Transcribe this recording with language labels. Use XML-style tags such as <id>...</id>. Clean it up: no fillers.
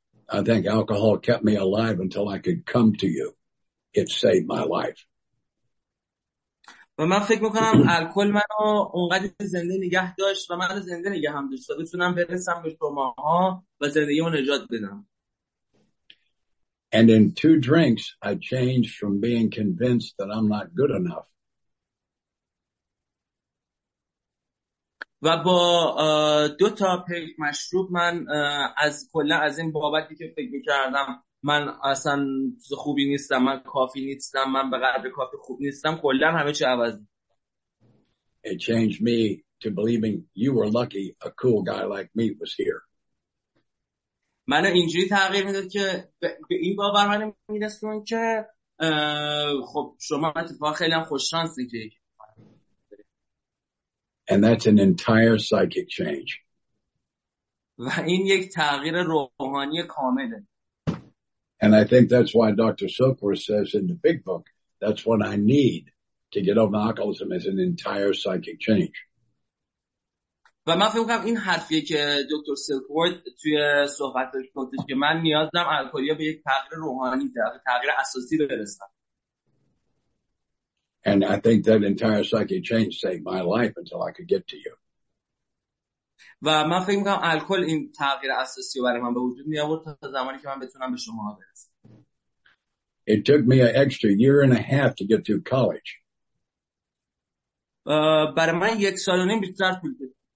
<en>I think alcohol kept me alive until I could come to you. It saved my life.</en> <fa>و من فکر میکنم الکل منو اونقدر زنده نگه داشت و منو زنده نگه هم داشت تا بتونم برسم به شماها و زندگی منو نجات بدم.</fa> <en>And in two drinks I changed from being convinced that I'm not good enough.</en> <fa>و با دو تا پیک مشروب من از کلا از این بابتی که فکر میکردم من اصلا خوبی نیستم من کافی نیستم من به قدر کافی خوب نیستم کلا همه چی عوض شد.</fa> <en>It changed me to believing you were lucky a cool guy like me was here.</en> <fa>من اینجوری تغییر میداد که به این باور من میرسون که خب شما اتفاق خیلی خوش شانسی که</fa> <en>And that's an entire psychic change.</en> <fa>و این یک تغییر روحانی کامله.</fa> <en>And I think that's why Dr. Silkworth says in the big book, that's what I need to get over alcoholism as an entire psychic change.</en> <fa>و من فکر می‌کنم این حرفیه که دکتر سیلکورد توی صحبتش گفتش که من نیاز دارم الکلی‌ها به یک تغییر روحانی داره، تغییر اساسی برسن.</fa> <en>And I think that entire psychic change saved my life until I could get to you.</en> <fa>و من فکر می‌کنم الکل این تغییر اساسی برای من به وجود میآورد تا زمانی که من بتونم به شما برسم.</fa> <en>It took me an extra year and a half to get through college.</en> <fa>برای من یک سال و نیم بیشتر طول کشید.</fa>